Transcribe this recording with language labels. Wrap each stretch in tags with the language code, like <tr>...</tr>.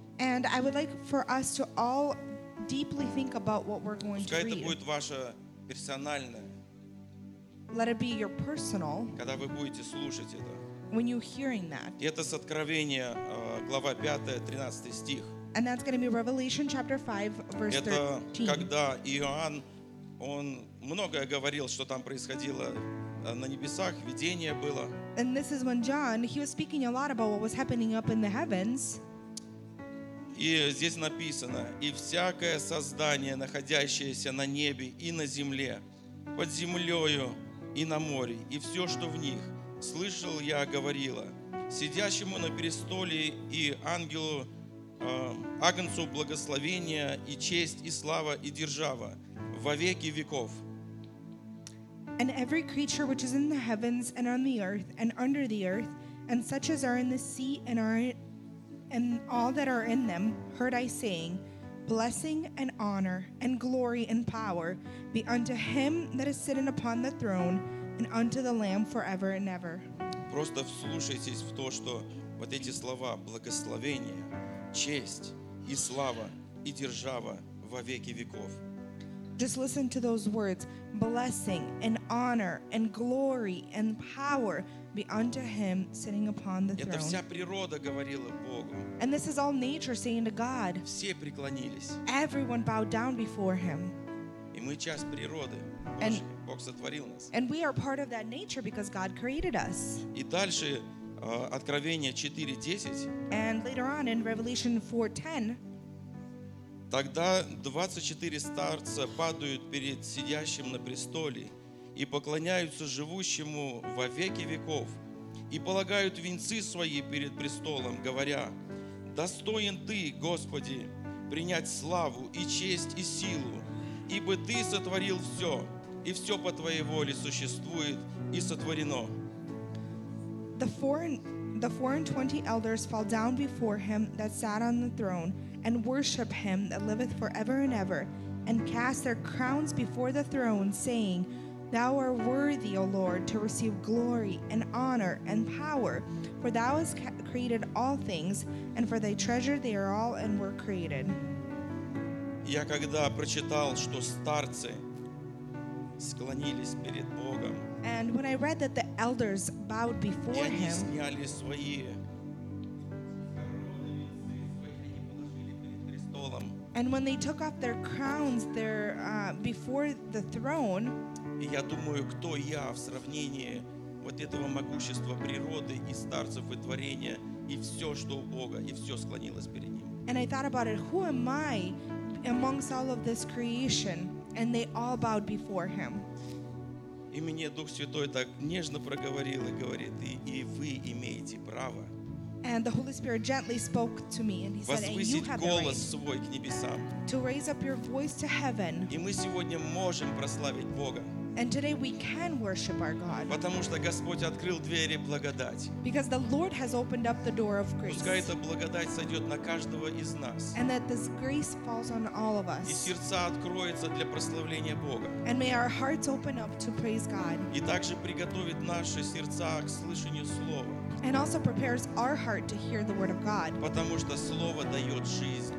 <en>And I would like for us to all deeply think about what we're going</en> <ru>Пускай</ru> <en>to read.</en> <ru>Это будет ваше персональное.</ru> <en>Let it be your personal.</en> <ru>Когда вы будете слушать это.</ru> <en>When you're hearing that.</en> <ru>И это с Откровения, глава 5, 13 стих.</ru> <en>And that's going to be Revelation chapter 5, verse 13.</en> <ru>Это когда Иоанн, он многое говорил, что там происходило на небесах, видение было.</ru> <en>And this is when John, he was speaking a lot about what was happening up in the heavens.</en> <ru>И здесь написано, и всякое создание, находящееся на небе и на земле, под землею и на море, и все, что в них, слышал я, говорила, сидящему на престоле и ангелу, агнцу благословения и честь и слава и держава во веки веков.</ru> <en>And every creature which is in the heavens and on the earth and under the earth and such as are in the sea and are And all that are in them heard I saying, Blessing and honor and glory and power be unto him that is sitting upon the throne and unto the Lamb forever and ever.</en> <ru>Просто вслушайтесь в то, что вот эти слова благословение, честь и слава и держава во веки веков.</ru> <en>Just listen to those words, blessing and honor and glory and power be unto him sitting upon the throne.</en> <ru>Это вся природа говорила Богу.</ru> <en>And this is all nature saying to God.</en> <ru>Все преклонились.</ru> <en>Everyone bowed down before him.</en> <ru>И мы часть природы Божьей. Бог сотворил нас.</ru> <en>And we are part of that nature because God created us.</en> <ru>И дальше Откровение 4:10.</ru> <en>And later on in Revelation 4:10.</en> <ru>Тогда 24 старца падают перед сидящим на престоле и поклоняются живущему во веки веков и полагают венцы свои перед престолом, говоря, «Достоин Ты, Господи, принять славу и честь и силу, ибо Ты сотворил все, и все по Твоей воле существует и сотворено».</ru> <en>The four and twenty elders fall down before Him that sat on the throne, and worship Him that liveth forever and ever, and cast their crowns before the throne, saying, Thou art worthy, O Lord, to receive glory and honor and power, for Thou hast created all things, and for Thy treasure they are all and were created.</en> <ru>Я когда прочитал, что старцы склонились перед Богом,</ru> <en>and when I read that the elders bowed before</en> <ru>и они сняли</ru> <en>Him,</en> <ru>свои</ru> <en>And when they took off their crowns there before the throne,</en> <ru>я думаю, кто я в сравнении вот этого могущества природы и старцев и творения и все, что у Бога, и все склонилось перед ним.</ru> <en>And I thought about it, who am I amongst all of this creation? And they all bowed before him.</en> <ru>И мне Дух Святой так нежно проговорил и говорит, и вы имеете право.</ru> <en>And the Holy Spirit gently spoke to me and he said, and you have the right to raise up your voice to heaven.</en> <ru>И мы сегодня можем прославить Бога.</ru> <en>And today we can worship our God.</en> <ru>Потому что Господь открыл двери благодати.</ru> <en>Because the Lord has opened up the door of grace.</en> <ru>Пускай эта благодать сойдет на каждого из нас.</ru> <en>And that this grace falls on all of us.</en> <ru>И сердца откроются для прославления Бога.</ru> <en>And may our hearts open up to praise God.</en> <ru>И также приготовит наши сердца к слышанию слова.</ru> <en>And also prepares our heart to hear the word of God.</en> <ru>Потому что слово дает жизнь.</ru>